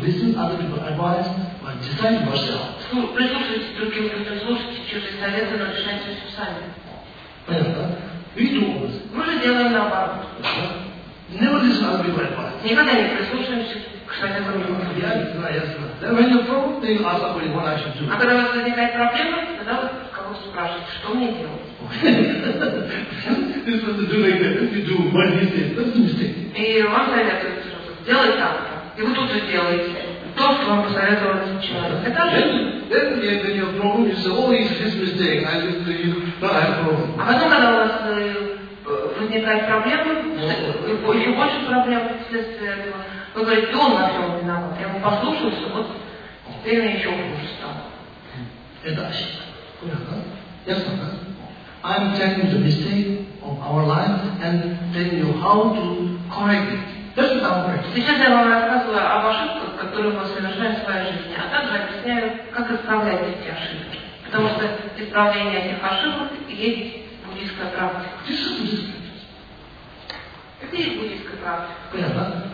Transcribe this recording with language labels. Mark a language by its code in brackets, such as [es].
[en] Listen to other people's advice, but decide yourself. [ru] Прислушивайтесь к другим людям, слушайте чужие советы, но решайте все сами. Понятно? Мы же делаем наоборот. [en] Never listen to other people's advice. [ru] Никогда не прислушиваемся к советам других. Я не знаю, я знаю. [en] When you're wrong, then you ask somebody what I should do. [ru] А когда у вас возникает проблема, тогда вы кого-то спрашиваете, что мне делать? [en] This is what to do like that. You do what he said. That's a mistake. [ru] И вам советую. Делай так, и вы тут же делаете то, что вам посоветовал этот человек. Это же. [en] Then your problem is always his mistake. I just tell you, no, I have problem. [ru] А потом, когда у вас возникает проблема, еще больше проблем вследствие этого, вы говорите, он на всем виноват. Я ему послушался, вот теперь мне еще хуже стало. Это ошибка. Ясно, да? [en] I'm telling you the mistake of our life and telling you how to correct it. [ru] Сейчас я вам рассказываю об ошибках, которые мы совершаем в своей жизни, а также объясняю, как исправлять эти ошибки. Потому что исправление этих ошибок есть буддийская практика. Где есть буддийская практика? Понятно.